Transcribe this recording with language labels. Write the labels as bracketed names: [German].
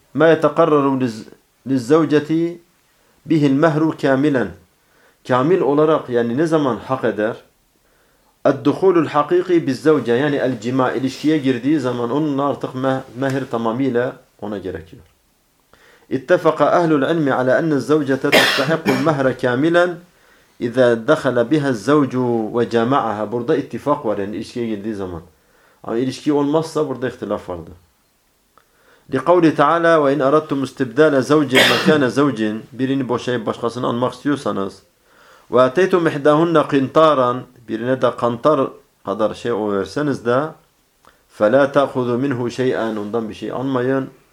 [Arabic] Ma yataqarraru liz-zawjati bihi al-mahru kamilan. [Turkish] Kamil olarak yani ne zaman hak eder? [Arabic] الدخول الحقيقي بالزوجة يعني الجماع [Turkish] ilişkiye girdiği zaman onun artık mehir tamamıyla ona gerekiyor. [Arabic] اتفق أهل العلم على أن الزوجة تستحق المهر كاملا إذا دخل بها الزوج وجمعها. [Turkish] Burada ittifak var yani ilişkiye girdiği zaman. Ama ilişki olmazsa burada ihtilaf vardı. [Arabic] لقول تعالى وإن أردتم استبدال زوج مكان زوج [Turkish] birini boşayıp başkasını almak istiyorsanız [Arabic] وأتيتم إحداهن قنطارا [Turkish] birine de kantar kadar şey o verseniz de [Arabic] فَلَا تَأْخُذُ مِنْهُ شَيْئًا [Turkish] ondan bir şey anmayın.